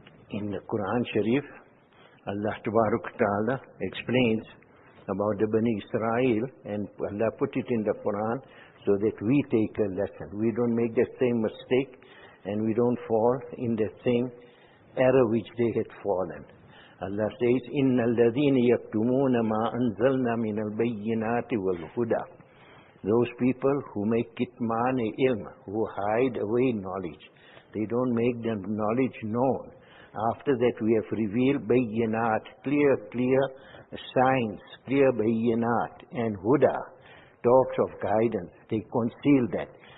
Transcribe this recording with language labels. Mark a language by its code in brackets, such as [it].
[en] In the Quran Sharif, Allah Tabarak Ta'ala explains about the Bani Israel, and Allah put it in the Quran so that we take a lesson. We don't make the same mistake and we don't fall in the same error which they had fallen. Allah says, [ar] إِنَّ الَّذِينَ يَكْتُمُونَ مَا أَنزَلْنَا مِنَ الْبَيِّنَاتِ وَالْهُدَى. [en] Those people who make kitmani ilm, who hide away knowledge, they don't make the knowledge known. After that we have revealed bayyinat, clear signs, clear bayyinat, and huda, talks of guidance. They conceal that.